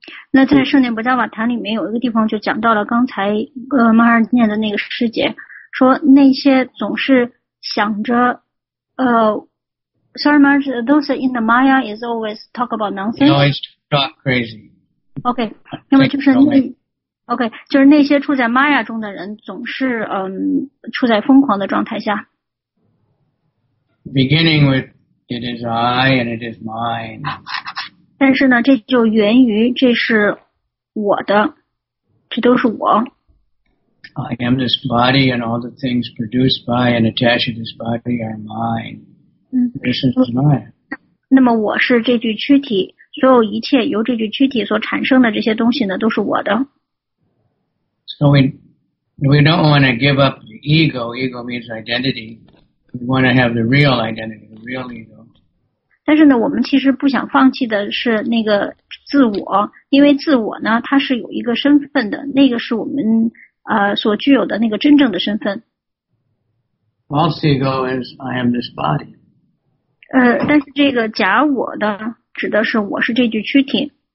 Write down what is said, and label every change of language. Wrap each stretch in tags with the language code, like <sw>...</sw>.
<zh>那在圣典波迦瓦坛里面有一个地方就讲到了刚才马尔念的那个师姐，说那些总是想着</zh> <en>those in the Maya is always talk about nonsense. They always talk crazy.</en> <zh>Okay, 那么就是你。OK, 就是那些处在 Maya 中的人总是处在疯狂的状态下。</zh> <en>Beginning with, it is I and it is mine.</en> <zh>但是呢这就源于这是我的，这都是我。</zh> <en>I am this body and all the things produced by and attached to this body are mine. This is mine.</en> <zh>那么我是这具躯体，所有一切由这具躯体所产生的这些东西呢都是我的。</zh> <en>So we don't want to give up the ego. Ego means identity. We want to have the real identity, the real ego.</en> <zh>但是呢，我们其实不想放弃的是那个自我，因为自我呢，它是有一个身份的，那个是我们所具有的那个真正的身份。</zh> <en>False ego is I am this body.</en> <zh>但是这个假我的指的是我是这具躯体。</zh>